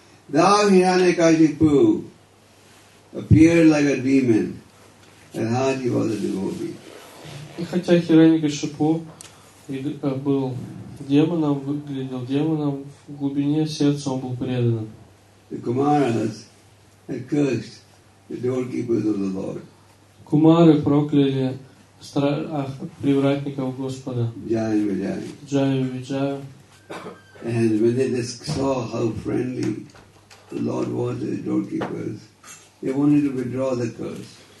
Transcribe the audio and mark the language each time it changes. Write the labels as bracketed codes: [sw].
[en] Thou Hiranyakashipu appeared like a demon, and hardly was a devotee. [ru] И хотя Хираньякашипу был демоном, выглядел демоном, в глубине сердца он был преданным. [en] The Kumaras had cursed the doorkeepers of the Lord. [ru] Кумары прокляли привратников Господа. Джая-виджая. [en] And when they saw how friendly the Lord was to the doorkeepers, they wanted to withdraw the curse.